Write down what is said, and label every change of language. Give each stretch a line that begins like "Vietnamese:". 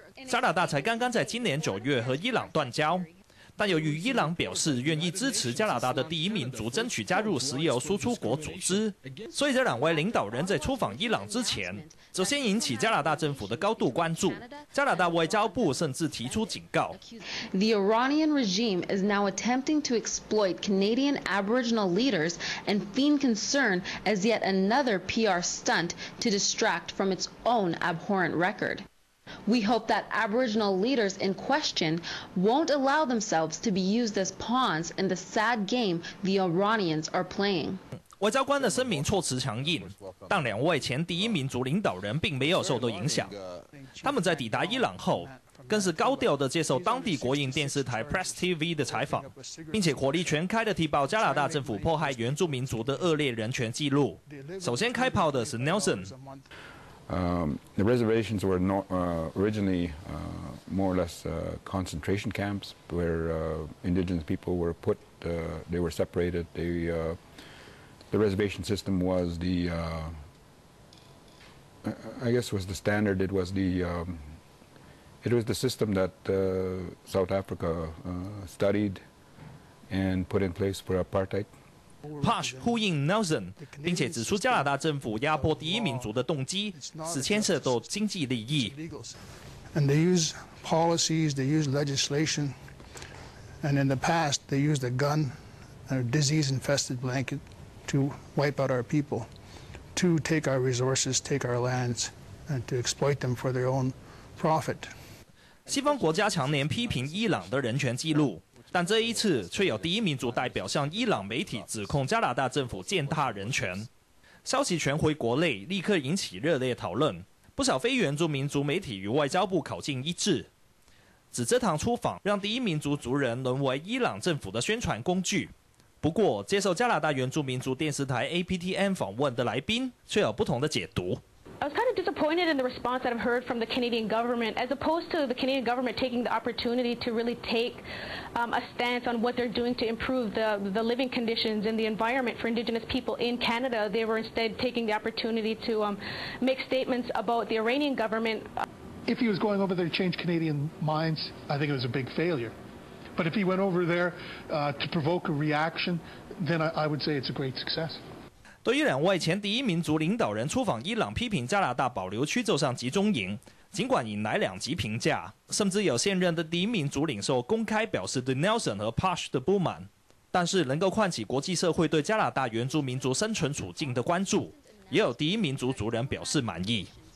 Chinese: 加拿大才刚刚在今年九月和伊朗断交，但由于伊朗表示愿意支持加拿大的第一民族争取加入石油输出国组织，所以这两位领导人在出访伊朗之前，首先引起加拿大政府的高度关注。加拿大外交部甚至提出警告
English: ：The Iranian regime is now attempting to exploit Canadian Aboriginal leaders and feign concern as yet another PR stunt to distract from its own abhorrent record. We hope that Aboriginal leaders in question won't allow themselves to be used as pawns in the sad game the Iranians are playing.
Chinese: 外交官的声明措辞强硬，但两位前第一民族领导人并没有受到影响。他们在抵达伊朗后，更是高调地接受当地国营电视台 Press TV 的采访，并且火力全开地提报加拿大政府迫害原住民族的恶劣人权记录。首先开炮的是 Nelson。
English: The reservations were not, originally more or less concentration camps where indigenous people were put, they were separated. The reservation system was the, I guess was the standard. It was the system that South Africa studied and put in place for apartheid.
Chinese: Pash 呼应 Nelson， 并且指出加拿大政府压迫第一民族的动机是牵涉到经济利益。
English: And they use policies, they use legislation, and in the past they used a gun, a disease-infested blanket, to wipe out our people, to take our resources, take our lands, and to exploit them for their own profit.
Chinese: 西方国家常年批评伊朗的人权记录。但这一次却有第一民族代表向伊朗媒体指控加拿大政府践踏人权，消息传回国内立刻引起热烈讨论，不少非原住民族媒体与外交部口径一致，指这趟出访让第一民族族人沦为伊朗政府的宣传工具。不过接受加拿大原住民族电视台 APTN 访问的来宾却有不同的解读。
English: I was kind of disappointed in the response that I've heard from the Canadian government, as opposed to the Canadian government taking the opportunity to really take a stance on what they're doing to improve the living conditions and the environment for Indigenous people in Canada. They were instead taking the opportunity to make statements about the Iranian government. If he was going over there to change Canadian minds, I think it was a big failure. But if he went over there to provoke a reaction, then I would say it's a great success.
Chinese: 对于两位前第一民族领导人出访伊朗批评加拿大保留区奏上集中营，尽管引来两极评价，甚至有现任的第一民族领袖公开表示对 Nelson 和 Pash 的不满，但是能够唤起国际社会对加拿大原住民族生存处境的关注，也有第一民族族人表示满意。